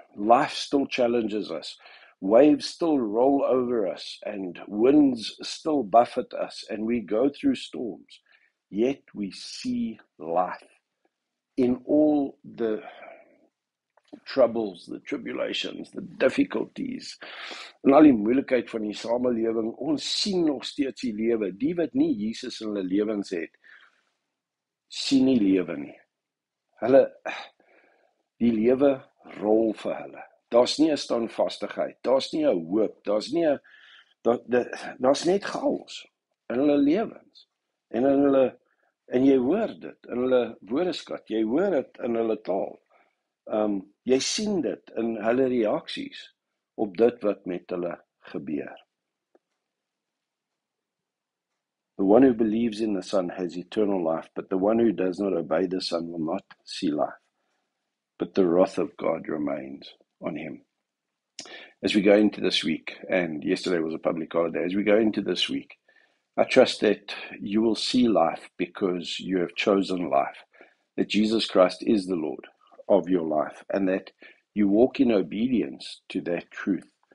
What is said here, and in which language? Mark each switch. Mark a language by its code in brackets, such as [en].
[en] Life still challenges us. Waves still roll over us, and winds still buffet us, and we go through storms, yet we see life in all the troubles, the tribulations, the difficulties. [af] En al die moeilikheid van die samelewing, ons sien nog steeds die lewe. Die wat nie Jesus in hulle lewens het, sien nie lewe nie. Hulle, die lewe rol vir hulle. Daar's nie 'n standvastigheid, daar's nie 'n hoop, daar's nie 'n daar's net chaos in hulle lewens. En in hulle, en jy hoor dit in hulle woordeskat, jy hoor dit in hulle taal. Jy sien dit in hulle reaksies op dit wat met hulle gebeur. [en] The one who believes in the Son has eternal life, but the one who does not obey the Son will not see life. But the wrath of God remains on him. As we go into this week, and yesterday was a public holiday, as we go into this week, I trust that you will see life because you have chosen life, that Jesus Christ is the Lord of your life, and that you walk in obedience to that truth.